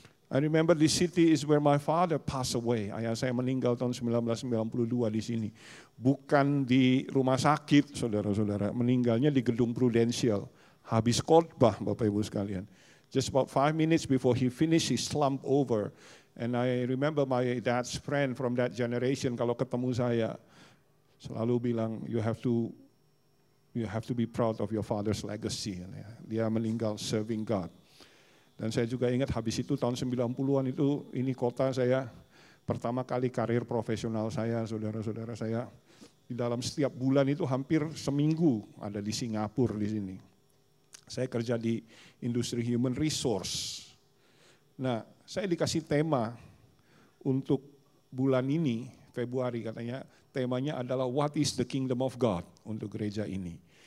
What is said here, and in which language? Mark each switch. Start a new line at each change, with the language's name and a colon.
English: I remember the city is where my father passed away.
Indonesian: Ayah saya meninggal tahun 1992 di sini. Bukan di rumah sakit, saudara-saudara. Meninggalnya di gedung Prudential. Habis khotbah, Bapak-Ibu sekalian.
English: Just about 5 minutes before he finished, he slumped over. And I remember my dad's friend from that generation,
Indonesian: kalau ketemu saya, selalu bilang,
English: you have to be proud of your father's legacy.
Indonesian: Dia meninggal
English: serving God.
Indonesian: Dan saya juga ingat habis itu tahun 90-an itu, ini kota saya pertama kali karir profesional saya, saudara-saudara saya. Di dalam setiap bulan itu hampir seminggu ada di Singapura di sini. Saya kerja di industri human resource. Nah, saya dikasih tema untuk bulan ini, Februari katanya, temanya adalah
English: What is the Kingdom of God
Indonesian: untuk gereja ini.